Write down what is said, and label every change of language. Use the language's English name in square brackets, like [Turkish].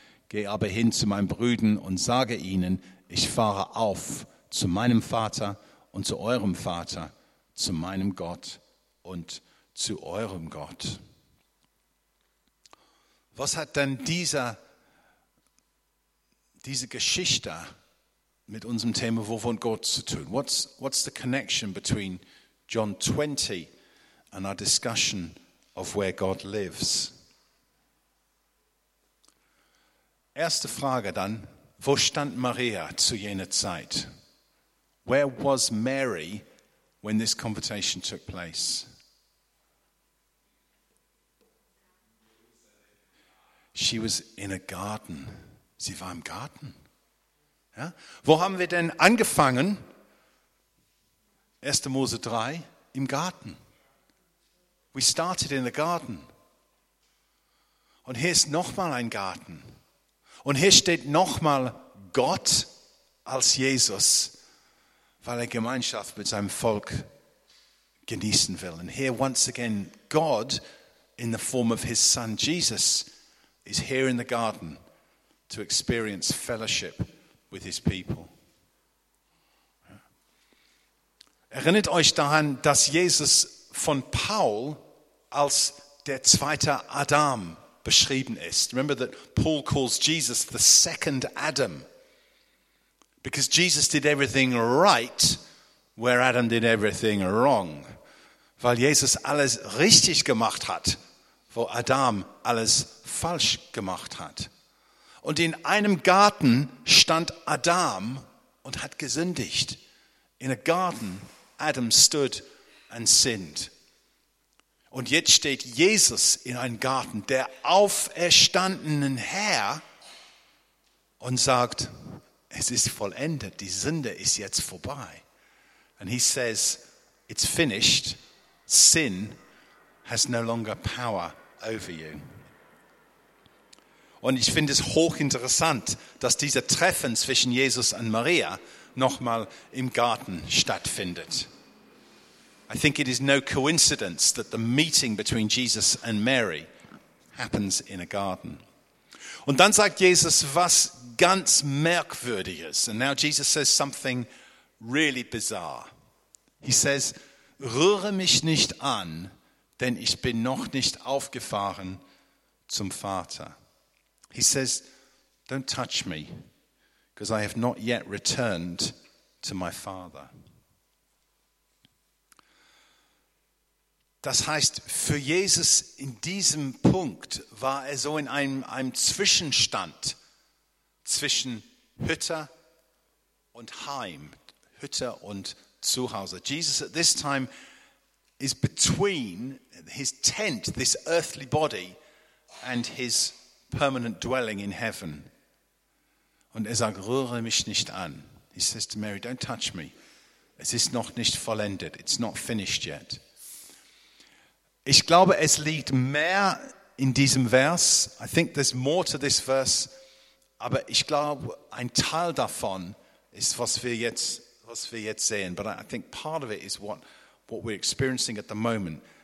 [German] Gehe aber hin zu meinen Brüdern und sage ihnen, ich fahre auf zu meinem Vater und zu eurem Vater, zu meinem Gott und zu eurem Gott. Was hat denn diese Geschichte mit unserem Thema Wovon Gott zu tun? [English] What's the connection between John 20 and our discussion of where God lives? [German] Erste Frage dann, wo stand Maria zu jener Zeit? [English] Where was Mary when this conversation took place? She was in a garden. [German] Sie war im Garten. Ja? Wo haben wir denn angefangen? 1. [English] Mose 3, [German] im Garten. [English] We started in the garden. [German] Und hier ist nochmal ein Garten. Und hier steht nochmal Gott als Jesus, weil er Gemeinschaft mit seinem Volk genießen will. [English] And here once again, God in the form of his son Jesus is here in the garden to experience fellowship with his people. [German] Erinnert euch daran, dass Jesus von Paul als der zweite Adam beschrieben ist. [English] Remember that Paul calls Jesus the second Adam. Because Jesus did everything right, where Adam did everything wrong. [German] Weil Jesus alles richtig gemacht hat, wo Adam alles falsch gemacht hat. Und in einem Garten stand Adam und hat gesündigt. [English] In a garden, Adam stood and sinned. [German] Und jetzt steht Jesus in einem Garten, der auferstandenen Herr, und sagt, es ist vollendet, die Sünde ist jetzt vorbei. [English] And he says, it's finished, sin has no longer power over you. [German] Und ich finde es hochinteressant, dass dieser Treffen zwischen Jesus und Maria nochmal im Garten stattfindet. [English] I think it is no coincidence that the meeting between Jesus and Mary happens in a garden. [German] Und dann sagt Jesus was ganz Merkwürdiges. [English] And now Jesus says something really bizarre. He says, [German] rühre mich nicht an, denn ich bin noch nicht aufgefahren zum Vater. [English] He says, don't touch me, because I have not yet returned to my Father. [German] Das heißt, für Jesus in diesem Punkt war er so in einem Zwischenstand zwischen Hütte und Heim, Hütte und Zuhause. [English] Jesus at this time is between his tent, this earthly body, and his permanent dwelling in heaven. [German] Und er sagt, rühre mich nicht an. [English] He says to Mary, don't touch me. [German] Es ist noch nicht vollendet. [English] It's not finished yet. [German] Ich glaube, es liegt mehr in diesem Vers. [English] I think there's more to this verse. [German] Aber ich glaube, ein Teil davon ist, was wir jetzt sehen. [English] But I think part of it is what we're experiencing at the moment.